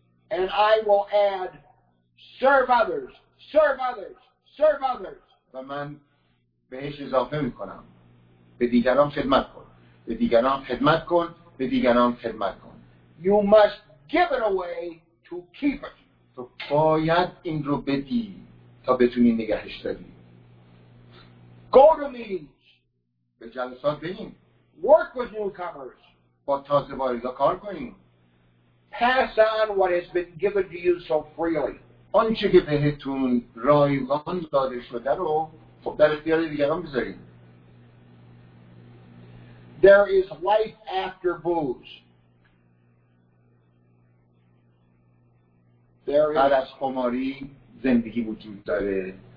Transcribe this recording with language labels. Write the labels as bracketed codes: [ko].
[en] And I will add, serve others, serve others, serve others. [fa] و من بهش اضافه میکنم. به دیگران خدمت کن. به دیگران خدمت کن. به دیگران خدمت کن. [en] You must give it away to keep it. [fa] تو باید این رو بدی تا بتونی نگهش داری. [en] Go to meetings. [fa] به جلسات بریم. [en] Work with newcomers. [fa] با تازه واردا کار کنیم. [en] Pass on what has been given to you so freely. [fa] آنچه که بهتون رایگان داده شده رو خب در اختیار دیگران بذاریم. [en] There is life after booze. [fa] بعد از خماری زندگی وجود داره.